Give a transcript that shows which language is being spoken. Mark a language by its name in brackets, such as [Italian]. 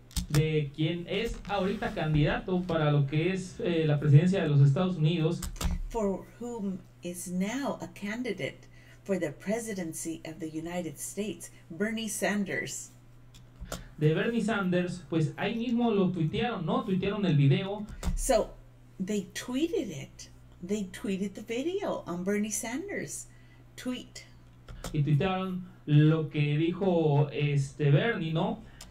[Spanish] De quien es ahorita candidato para lo que es la presidencia de los Estados Unidos. [English] For whom is now a candidate for the presidency of the United States, Bernie Sanders. [Spanish] De Bernie Sanders, pues ahí mismo lo tuitearon, ¿no? Tuitearon el video. [English] So, they tweeted it. They tweeted the video on Bernie Sanders' tweet. [Spanish] Y tuitearon lo que dijo este Bernie, ¿no?